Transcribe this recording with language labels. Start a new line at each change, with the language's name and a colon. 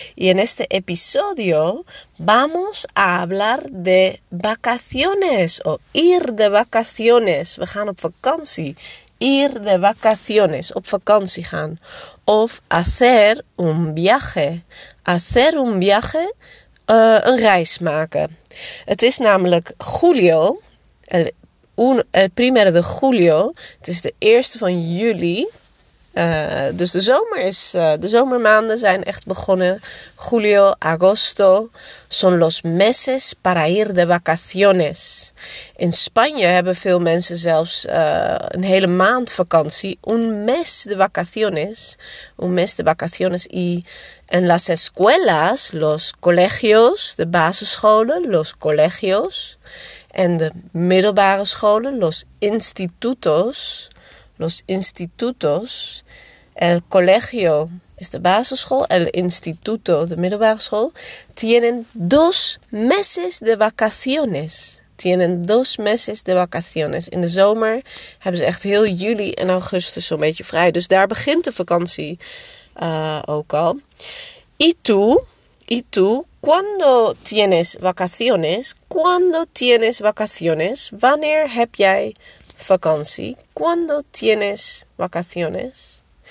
Spanish: Y en este episodio vamos a hablar de vacaciones o ir de vacaciones.
Dutch: We gaan op vakantie.
Spanish: Ir de vacaciones,
Dutch: op vakantie gaan.
Spanish: Of hacer un viaje. Hacer un viaje,
Dutch: een reis maken. Het is namelijk
Spanish: julio, el primero de julio.
Dutch: Het is de eerste van juli. Dus de zomer is, de zomermaanden zijn echt begonnen.
Spanish: Julio, agosto, son los meses para ir de vacaciones.
Dutch: In Spanje hebben veel mensen zelfs een hele maand vakantie.
Spanish: Un mes de vacaciones. Un mes de vacaciones. Y en las escuelas, los colegios,
Dutch: de basisscholen,
Spanish: los colegios.
Dutch: En de middelbare scholen,
Spanish: los institutos. Los institutos, el colegio es
Dutch: de basisschool,
Spanish: el instituto,
Dutch: de middelbare school,
Spanish: tienen dos meses de vacaciones. Tienen dos meses de vacaciones.
Dutch: In de zomer hebben ze echt heel juli en augustus zo'n beetje vrij. Dus daar begint de vakantie ook al.
Spanish: ¿Y tú? ¿Cuándo tienes vacaciones? ¿Cuándo tienes vacaciones?
Dutch: ¿Wanneer heb jij vakantie?
Spanish: ¿Cuándo tienes vacaciones?